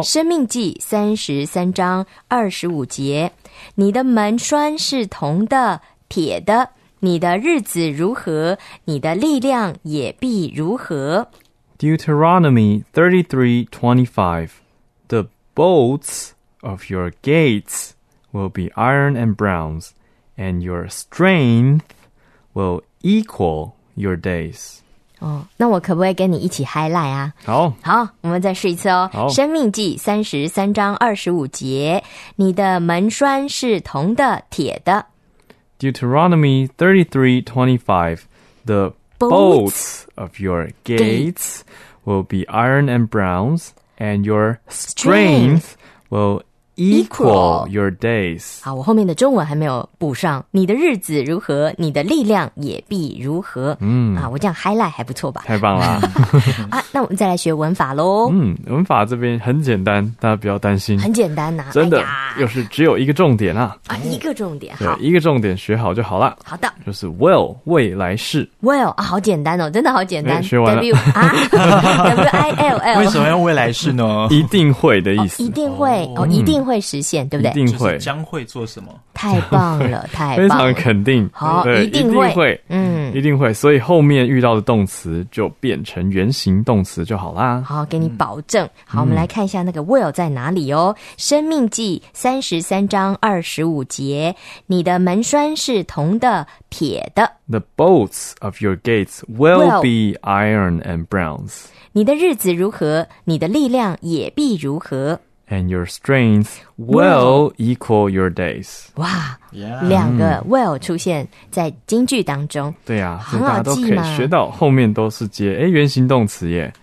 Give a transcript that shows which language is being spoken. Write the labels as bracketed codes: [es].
[zh] 《生命记》33:25，你的门栓是铜的、铁的，你的日子如何，你的力量也必如何。 [en] Deuteronomy 33:25。 The bolts of your gates will be iron and bronze, and your strength will equal your days. [zh] 哦，那我可不可以跟你一起 highlight 啊？好，好，我们再试一次哦。好，生命记33:25，你的门栓是铜的、铁的。 [en] Deuteronomy 33:25, the bolts of your gates will be iron and bronze. And your strength will equal your days. [zh] 好，我后面的中文还没有补上。你的日子如何，你的力量也必如何。嗯，啊，我这样 highlight 还不错吧？太棒了！啊，那我们再来学文法喽。嗯，文法这边很简单，大家不要担心。很简单呐、啊，真的、哎，又是只有一个重点啊。啊，一个重点，对，一个重点学好就好了。好的，就是 will 未来式。 Will 啊，好简单哦，真的好简单。学完了。 [en] W-I-L-L [zh] 为什么要未来式呢？一定会的意思。哦、一定会哦，一定。会实现对不对一定会、就是、将会做什么太棒了太棒了非常肯定好对一定会、嗯、一定会所以后面遇到的动词就变成原形动词就好啦好给你保证、嗯、好我们来看一下那个 will 在哪里哦、嗯、生命记33:25，你的门栓是铜的铁的 [en] The bolts of your gates will be iron and bronze [zh] 你的日子如何你的力量也必如何 [en] And your strength will equal your days. [zh] 哇，两个 will 出现在金句当中。对啊，很好记嘛。大家都可以学到后面都是接诶原形动词耶。